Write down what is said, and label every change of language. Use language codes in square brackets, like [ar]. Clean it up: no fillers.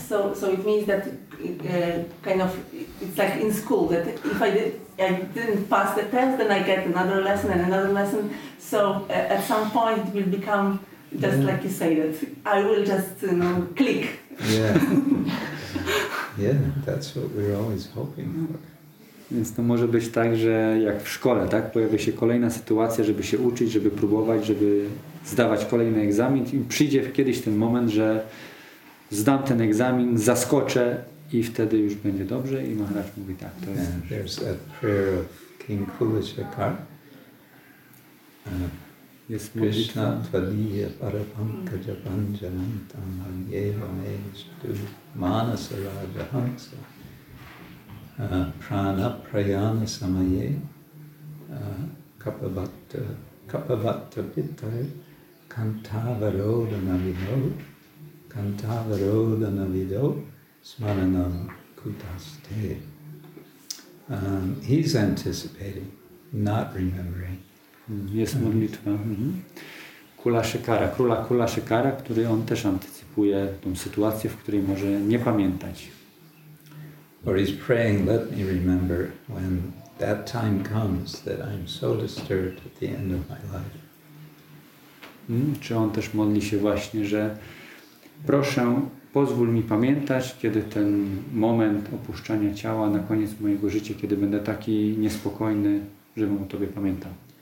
[en] So it means that kind of it's like in school that if I didn't pass the test, then I get another lesson and another lesson. So at some point it will become just like you say that I will just click. Yeah, that's what we're always hoping for. [pl] Więc to może być tak, że jak w szkole, tak? Pojawia się kolejna sytuacja, żeby się uczyć, żeby próbować, żeby zdawać kolejny egzamin i przyjdzie kiedyś ten moment, że zdam ten egzamin, zaskoczę i wtedy już będzie dobrze i Maharaj mówi tak, to jest. [en] And there's a prayer of King Kulashekar. [pl] Jest modlitwa. [sa] Krishna tvadiya parapankaja panjanam tamam yeva meshtu manasa raja hamsa. Prana prayana samaye kapavatta pittai kantavarodhanavido smaranam kutaste. [en] He's anticipating, not remembering. [pl] Jest modlitwa Kulashekara, króla Kulashekara, który on też antycypuje tą sytuację, w której może nie pamiętać. [en] Or he's praying, let me remember when that time comes that I'm so disturbed at the end of my life. [pl] Czy on też modli się właśnie, że proszę, pozwól mi pamiętać, kiedy ten moment opuszczania ciała na koniec mojego życia, kiedy będę taki niespokojny, żebym o Tobie pamiętał.